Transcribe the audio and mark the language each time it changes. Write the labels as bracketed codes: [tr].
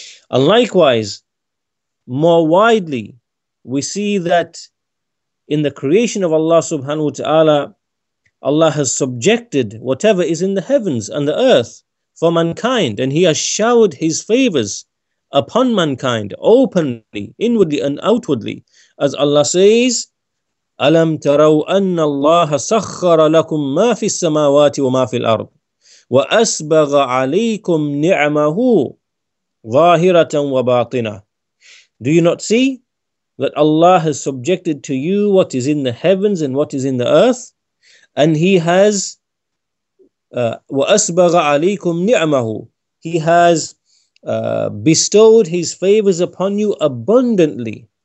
[en] And likewise, more widely, we see that in the creation of Allah subhanahu wa ta'ala, Allah has subjected whatever is in the heavens and the earth for mankind, and he has showered his favors upon mankind openly, inwardly and outwardly. As Allah says, [ar] أَلَمْ تَرَوْا أَنَّ اللَّهَ سَخَّرَ لَكُمْ مَا فِي السَّمَاوَاتِ وَمَا فِي الْأَرْضِ وَأَسْبَغَ عَلَيْكُمْ نِعْمَهُ ظَاهِرَةً وَبَاطِنَةً. [en] Do you not see that Allah has subjected to you what is in the heavens and what is in the earth? And he has, [ar] وَأَسْبَغَ عَلَيْكُمْ نِعْمَهُ, [en] he has bestowed his favors upon you abundantly.